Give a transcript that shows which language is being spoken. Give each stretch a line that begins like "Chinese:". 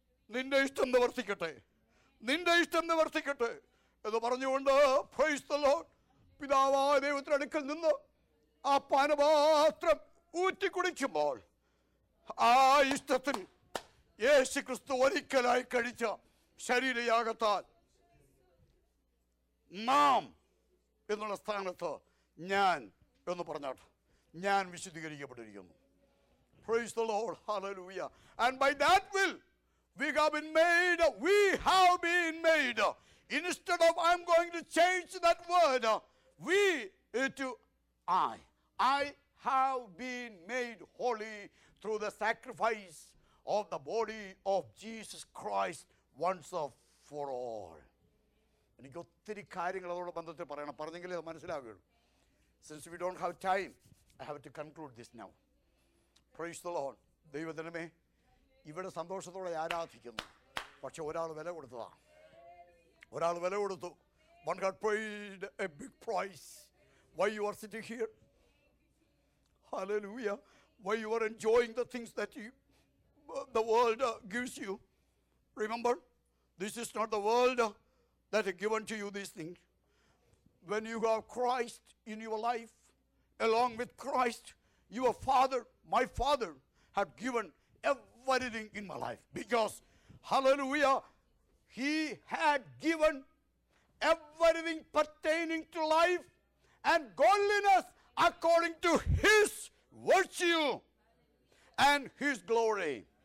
Malayalam: നിന്റെ ഇഷ്ടം നിവർത്തിക്കട്ടെ, നിന്റെ ഇഷ്ടം നിവർത്തിക്കട്ടെ എന്ന് പറഞ്ഞുകൊണ്ട്
English: praise the Lord,
Malayalam: പിതാവായ ദൈവത്തിന്റെ അടുക്കൽ നിന്ന് ആ പാനപാത്രം ഊറ്റിക്കുടിക്കുമ്പോൾ ആ ഇഷ്ടത്തിൽ യേശു ക്രിസ്തു ഒരിക്കലായി കഴിച്ച ശരീരയാഗത്താൽ നാം എന്നുള്ള സ്ഥാനത്ത് ഞാൻ എന്ന് പറഞ്ഞാട്ട് ഞാൻ വിശദീകരിക്കപ്പെട്ടിരിക്കുന്നു.
English: Praise the Lord, hallelujah. And by that will we have been made, we have been made, instead of I'm going to change that word, we to I have been made holy through the sacrifice of the body of Jesus Christ once and for all.
Malayalam: എനിക്ക് ഒത്തിരി കാര്യങ്ങൾ അതോട് ബന്ധത്തിൽ പറയണം, പറഞ്ഞെങ്കിലേ അത് മനസ്സിലാവുകയുള്ളൂ.
English: Since we don't have time, I have to conclude this now. Praise the Lord.
Malayalam: ദൈവദിനമേ ഇവിടെ സന്തോഷത്തോടെ ആരാധിക്കുന്നു. പക്ഷെ ഒരാൾ വില കൊടുത്തതാണ്, ഒരാൾ വില കൊടുത്തു.
English: One got paid a big price. Why you are sitting here, hallelujah. Why you are enjoying the things that the world gives you. Remember, this is not the world that given to you these things. When you have Christ in your life along with Christ your father, my father have given everything in my life, because hallelujah, he had given everything pertaining to life and godliness according to his virtue and his glory,